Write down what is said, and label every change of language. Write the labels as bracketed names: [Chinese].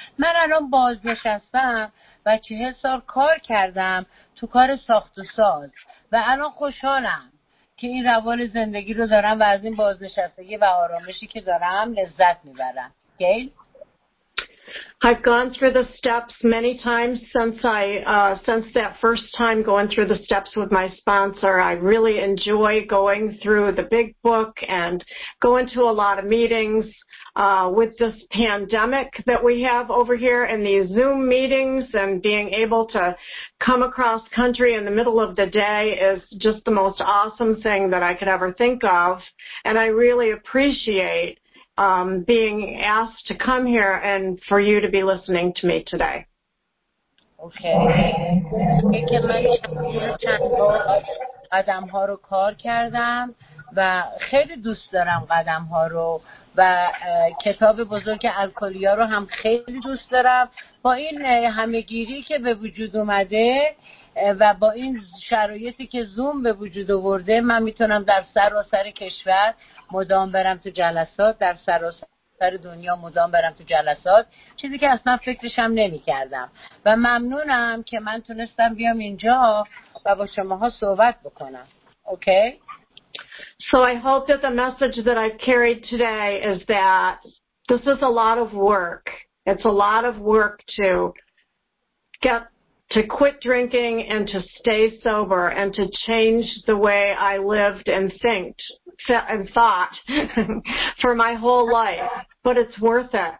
[Persian] من الان بازنشستم و 40 سال کار کردم تو کار ساخت و ساز و الان خوشحالم که این روال زندگی رو دارم و از این بازنشستگی و آرامشی که دارم لذت میبرم. گیل؟ [English] I've gone through the steps many times since that first time going through the steps with my sponsor. I really enjoy going through the big book and going to a lot of meetings with this pandemic that we have over here and these Zoom meetings and being able to come across country in the middle of the day is just the most awesome thing that I could ever think of. And I really appreciate being asked to come here and for you to be listening to me today. Okay. [Persian] که من چند بار قدم ها رو کار کردم و خیلی دوست دارم قدم ها رو و کتاب بزرگ الکلیا رو هم خیلی دوست دارم. با این همه گیری که به وجود اومده و با این شرایطی که زوم به وجود آورده، من میتونم در سراسر کشور مدام برم تو جلسات، در سراسر دنیا مدام برم تو جلسات، چیزی که اصلا فکرش هم نمی کردم. و ممنونم که من تونستم بیام اینجا و با شماها صحبت بکنم. [English] Okay? So I hope that the message that I've carried today is that this is a lot of work. It's a lot of work to get to quit drinking and to stay sober and to change the way I lived and thought for my whole life. But it's worth it.